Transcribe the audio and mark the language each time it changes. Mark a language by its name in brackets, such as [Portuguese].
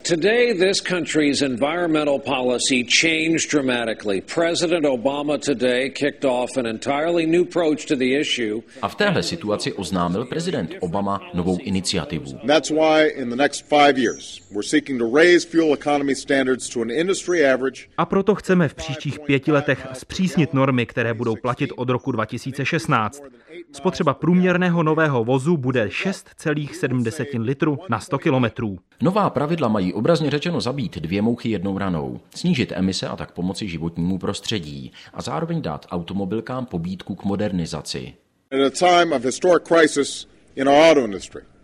[English] Today this country's environmental policy changed dramatically. President Obama today kicked off an entirely new approach to the issue. [Czech] A v téhle situaci oznámil prezident Obama novou iniciativu. [English] That's why in the next 5 years we're seeking to raise fuel economy standards to an industry average. [Czech] A proto chceme v příštích 5 letech zpřísnit normy, které budou platit od roku 2016. Spotřeba průměrného nového vozu bude 6,7 litru na 100 kilometrů. Nová pravidla mají obrazně řečeno zabít dvě mouchy jednou ranou, snížit emise a tak pomoci životnímu prostředí a zároveň dát automobilkám pobídku k modernizaci. [English] In a time of historic crisis in our auto industry.